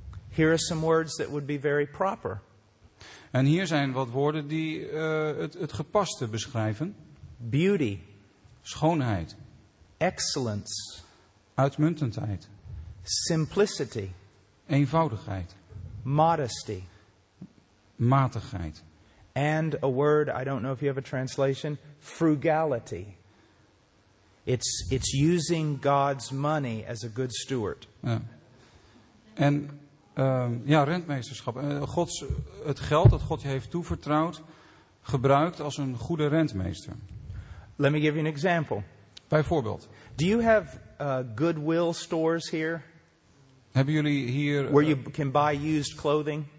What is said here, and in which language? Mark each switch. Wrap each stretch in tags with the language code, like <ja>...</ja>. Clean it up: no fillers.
<en>Here are some words that would be very proper.</en> <nl>En hier zijn wat woorden die het gepaste beschrijven.</nl> <en>Beauty.</en> <nl>Schoonheid.</nl> <en>Excellence.</en> <nl>Uitmuntendheid.</nl> <en>Simplicity.</en> <nl>Eenvoudigheid.</nl> <en>Modesty.</en> <nl>Matigheid.</nl> <en>And a word, I don't know if you have a translation, frugality. It's using God's money as a good steward.</en> <nl>Ja. En rentmeesterschap. Het geld dat God je heeft toevertrouwd, gebruikt als een goede rentmeester.</nl> <en>Let me give you an example.</en> <nl>Bijvoorbeeld.</nl> <en>Do you have Goodwill stores here?</en> <nl>Hebben jullie hier</nl> <en>where you can buy used clothing?</en>